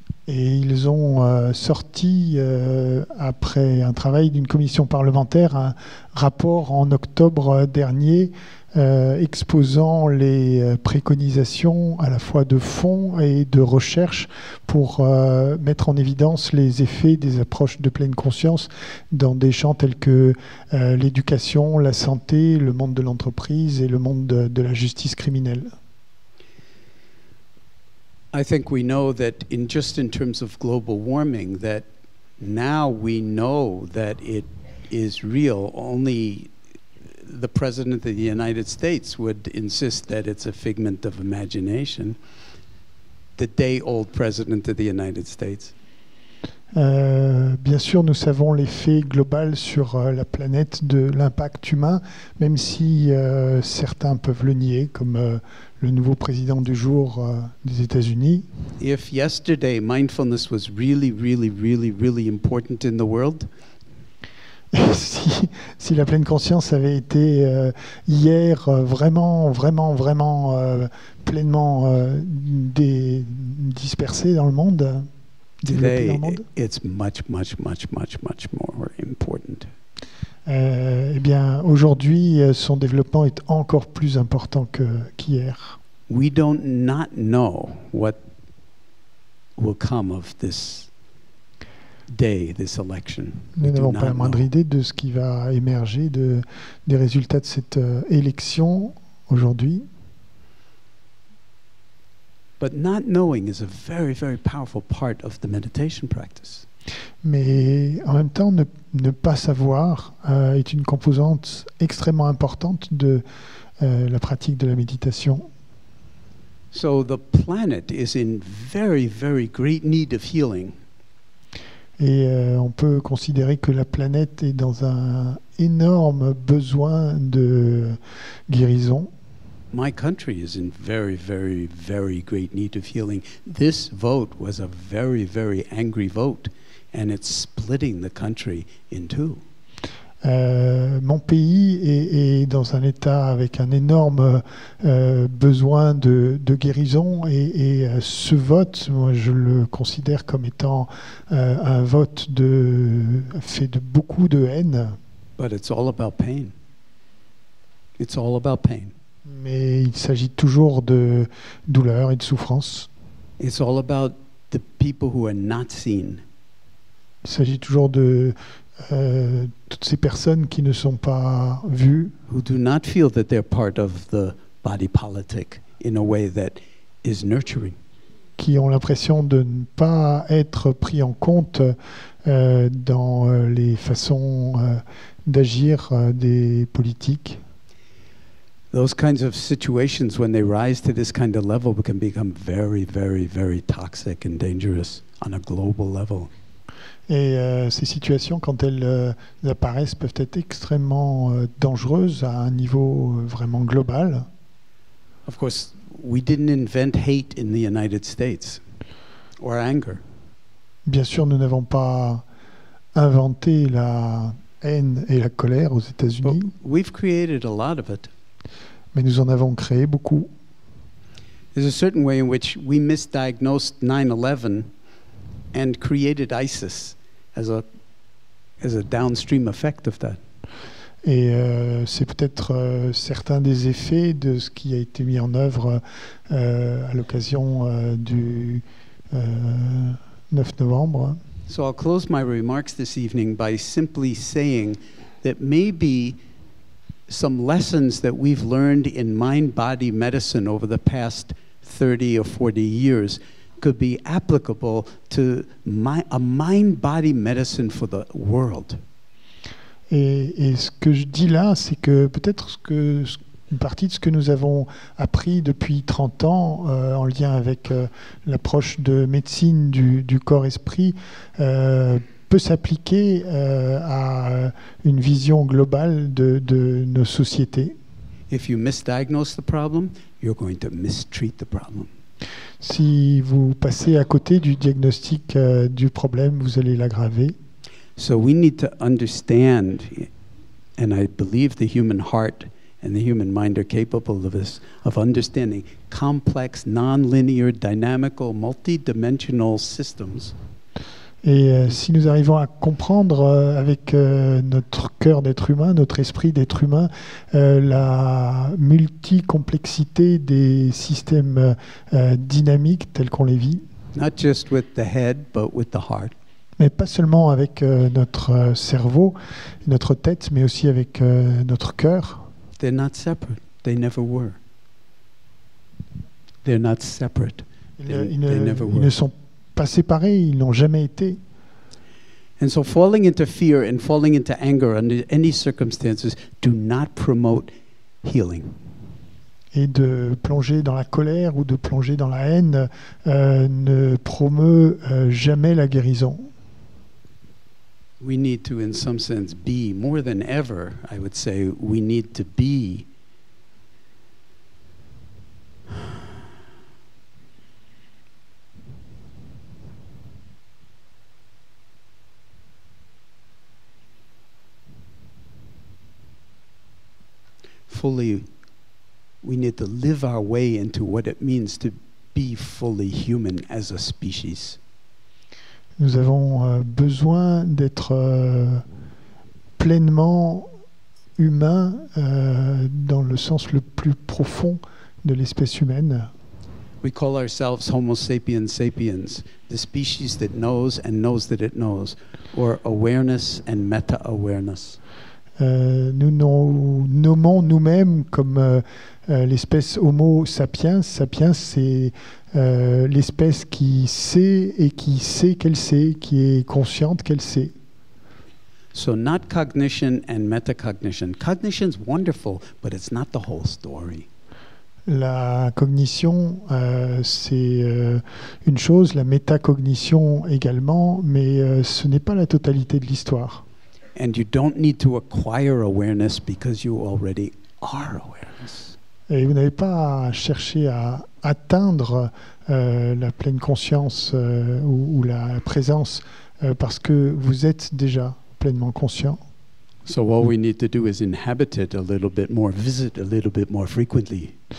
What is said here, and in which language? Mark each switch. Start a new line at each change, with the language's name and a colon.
French: Et ils ont sorti, après un travail d'une commission parlementaire, un rapport en octobre dernier exposant les préconisations à la fois de fonds et de recherche pour mettre en évidence les effets des approches de pleine conscience dans des champs tels que l'éducation, la santé, le monde de l'entreprise et le monde de la justice criminelle.
English: I think we know that in just in terms of global warming, that now we know that it is real. Only the President of the United States would insist that it's a figment of imagination. The day-old President of the United States.
French: Bien sûr, nous savons l'effet global sur la planète de l'impact humain, même si certains peuvent le nier, comme le nouveau président du jour des États-Unis.
English: If yesterday mindfulness was really, really, really, really important in the world,
French: si la pleine conscience avait été hier vraiment, vraiment, vraiment pleinement dispersée dans le monde.
English: Today, it's much, much, much, much, much more important.
French: Eh bien, aujourd'hui, son développement est encore plus important qu'hier.
English: We don't not know what will come of this day, this election.
French: Nous n'avons pas la moindre idée de ce qui va émerger des résultats de cette élection aujourd'hui.
English: But not knowing is a very, very powerful part of the meditation practice.
French: Mais en même temps, ne pas savoir est une composante extrêmement importante de la pratique de la méditation.
English: So the planet is in very, very great need of healing.
French: Et on peut considérer que la planète est dans un énorme besoin de guérison.
English: My country is in very, very, very great need of healing. This vote was a very, very angry vote, and it's splitting the country in two.
French: Mon pays est dans un état avec un énorme besoin de guérison et ce vote, moi je le considère comme étant un vote fait de beaucoup de haine.
English: But it's all about pain. It's all about pain.
French: Mais il s'agit toujours de douleur et de souffrance.
English: It's all about the people who are not seen.
French: Il s'agit toujours de toutes ces personnes qui ne sont pas vues,
English: who do not feel that they're part of the body politic in a way that is nurturing,
French: qui ont l'impression de ne pas être pris en compte dans les façons d'agir des politiques.
English: Those kinds of situations, when they rise to this kind of level, can become very, very, very toxic and dangerous on a global level.
French: Et ces situations, quand elles apparaissent, peuvent être extrêmement dangereuses à un niveau vraiment global.
English: Of course, we didn't invent hate in the United States or anger.
French: Bien sûr, nous n'avons pas inventé la haine et la colère aux États-Unis.
English: But we've created a lot of it.
French: Mais nous en avons créé beaucoup.
English: There's a certain way in which we misdiagnosed 9/11 and created ISIS. As a downstream effect of that.
French: Et c'est peut-être certains des effets de ce qui a été mis en œuvre à l'occasion du 9 novembre.
English: So I'll close my remarks this evening by simply saying that maybe some lessons that we've learned in mind-body medicine over the past 30 or 40 years could be applicable to a mind-body medicine for the world.
French: Et ce que je dis là, c'est que peut-être que une partie de ce que nous avons appris depuis 30 ans en lien avec l'approche de médecine du corps-esprit peut s'appliquer à une vision globale de nos sociétés.
English: If you misdiagnose the problem, you're going to mistreat the problem.
French: Si vous passez à côté du diagnostic du problème, vous allez l'aggraver.
English: So we need to understand, and I believe the human heart and the human mind are capable of this, of understanding complex, non-linear, dynamical, multi-dimensional systems.
French: Et si nous arrivons à comprendre avec notre cœur d'être humain, notre esprit d'être humain, la multicomplexité des systèmes dynamiques tels qu'on les vit,
English: not just with the head, but with the heart.
French: Mais pas seulement avec notre cerveau, notre tête, mais aussi avec notre cœur.
English: They're not separate. They never were. They're not separate.
French: Ils ne sont pas séparés, ils n'ont jamais été.
English: And so falling into fear and falling into anger under any circumstances do not promote healing.
French: Et de plonger dans la colère ou de plonger dans la haine ne promeut jamais la guérison.
English: We need to in some sense be more than ever, I would say, we need to be fully, we need to live our way into what it means to be fully human as a species.
French: Nous avons besoin d'être pleinement humain dans le sens le plus profond de l'espèce humaine.
English: We call ourselves Homo sapiens sapiens, the species that knows and knows that it knows, or awareness and meta-awareness.
French: Nous nous nommons nous-mêmes comme l'espèce Homo sapiens. Sapiens, c'est l'espèce qui sait et qui sait qu'elle sait, qui est consciente qu'elle sait.
English: So not cognition and metacognition. Cognition's wonderful, but it's not the whole story.
French: La cognition, c'est une chose, la métacognition également, mais ce n'est pas la totalité de l'histoire.
English: And you don't need to acquire awareness because you already are awareness.
French: Et vous n'avez pas à chercher à atteindre la pleine conscience ou la présence parce que vous êtes déjà pleinement conscient.
English: So all we need to do is inhabit it a little bit more, visit a little bit more frequently.